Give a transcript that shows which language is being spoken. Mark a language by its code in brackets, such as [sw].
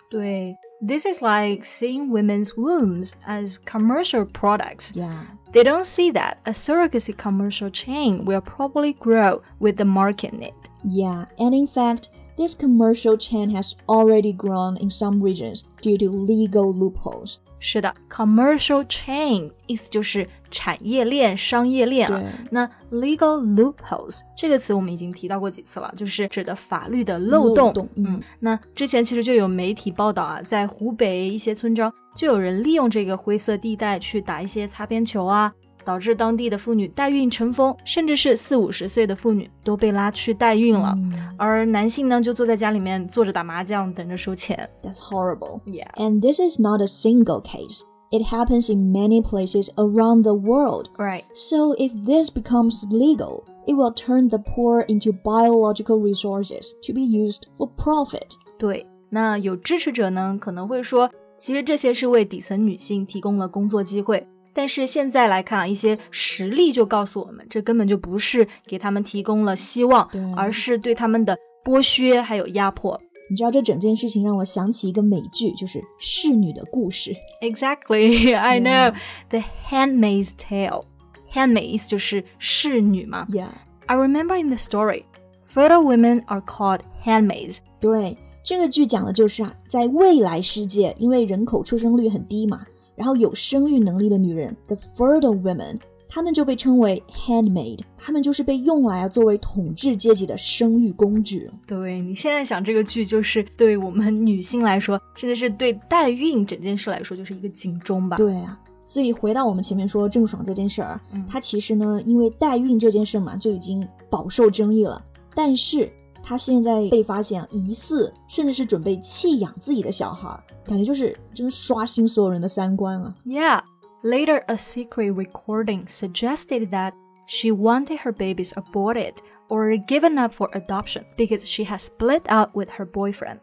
[zh] 对， [en] This is like seeing women's wombs as commercial products. Yeah. They don't see that a surrogacy commercial chain will probably grow with the market in it. Yeah, and in fact, this commercial chain has already grown in some regions due to legal loopholes. [zh] 是的 commercial chain 意思就是产业链商业链了、啊、那 legal loopholes 这个词我们已经提到过几次了就是指的法律的漏洞, 那之前其实就有媒体报道啊在湖北一些村庄就有人利用这个灰色地带去打一些擦边球啊导致当地的妇女代孕成风甚至是四五十岁的妇女都被拉去代孕了、而男性呢就坐在家里面坐着打麻将等着收钱 [en] That's horrible、 yeah. And this is not a single case It happens in many places around the world、 right. So if this becomes legal It will turn the poor into biological resources To be used for profit [zh] 对那有支持者呢可能会说其实这些是为底层女性提供了工作机会但是现在来看、啊、一些实例就告诉我们这根本就不是给他们提供了希望而是对他们的剥削还有压迫你知道这整件事情让我想起一个美剧就是侍女的故事 [en] Exactly, I know、yeah. [zh] The Handmaid's Tale Handmaid 意思就是侍女嘛 [en] Yeah I remember in the story Fertile women are called handmaids [zh] 对这个剧讲的就是、啊、在未来世界因为人口出生率很低嘛然后有生育能力的女人 [en] The fertile women [zh] 她们就被称为 handmaid 她们就是被用来、啊、作为统治阶级的生育工具对你现在想这个剧就是对我们女性来说甚至是对代孕整件事来说就是一个警钟吧对啊所以回到我们前面说郑爽这件事儿、她其实呢因为代孕这件事嘛就已经饱受争议了但是她现在被发现疑似甚至是准备弃养自己的小孩感觉就是真刷新所有人的三观啊 [en] Yeah, later a secret recording suggested that she wanted her babies aborted or given up for adoption because she had split up with her boyfriend.